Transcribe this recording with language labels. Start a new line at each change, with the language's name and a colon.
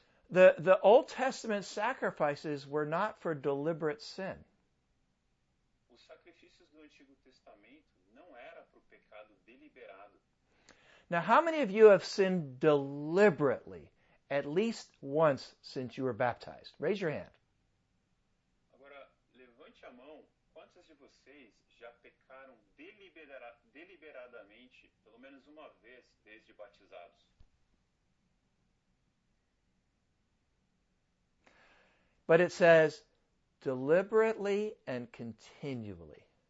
English: The Old Testament sacrifices were not for deliberate sin.
Portuguese: Os sacrifícios do Antigo Testamento não era para o pecado deliberado.
English: Now, how many of you have sinned deliberately at least once since you were baptized? Raise your hand.
Portuguese: Agora, levante a mão. Quantos de vocês já pecaram deliberadamente pelo menos uma vez desde batizados?
English: But it says, deliberately and continually.